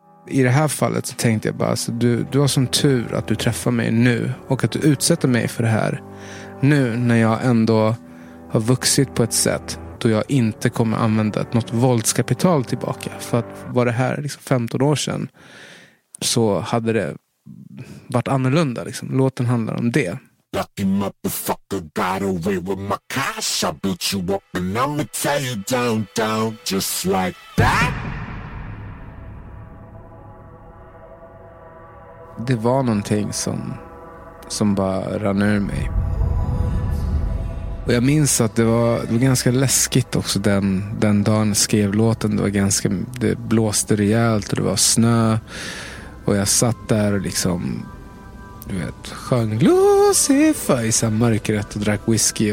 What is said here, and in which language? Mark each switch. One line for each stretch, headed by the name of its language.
Swedish: I det här fallet så tänkte jag bara, alltså, du har som tur att du träffar mig nu och att du utsätter mig för det här nu när jag ändå har vuxit på ett sätt då jag inte kommer använda något våldskapital tillbaka. För att var det här liksom 15 år sedan så hade det varit annorlunda. Liksom. Låten handlar om det.
English: Lucky motherfucker got away with my cash. I beat you up and I'ma tear you down, down, just like that.
Swedish: Det var någonting som bara rann ur mig. Och jag minns att det var ganska läskigt också den dagen jag skrev låten. Det blåste rejält och det var snö. Och jag satt där och liksom, du vet, sjöng Lucifer i samma mörkret och drack whisky.